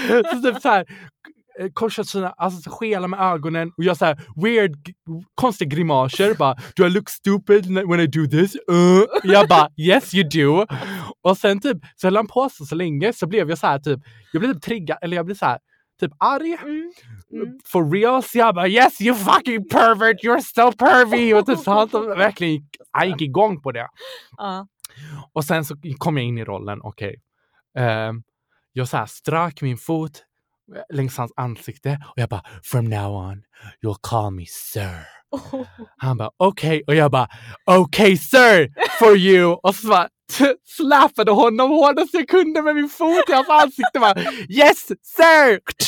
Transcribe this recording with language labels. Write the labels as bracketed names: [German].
[Swedish] Så typ så här, korsar sina, alltså skela med ögonen. Och jag så här, [English] weird, [Swedish] konstiga grimaser. Bara, [English] do I look stupid when I do this? [Swedish] Jag bara, [English] yes you do. [Swedish] Och sen typ, så höll han på sig så länge. Så blev jag så här typ, jag blev typ triggad. Eller jag blev så här, typ arg. [English] For real. [Swedish] Så jag bara, [English] yes you fucking pervert. You're still pervy. [Swedish] Och typ så han verkligen gick, han gick igång på det. Och sen så kom jag in i rollen. Okej. Jag så här, strök min fot längs hans ansikte. Och jag bara, [English] from now on, you'll call me sir. [Swedish] Han bara, okej. Okay. Och jag bara, okej okay, [English] sir, for you. [Swedish] Och så slappade honom hårdast jag kunde med min fot i hans ansikte. Bara, [English] yes, sir!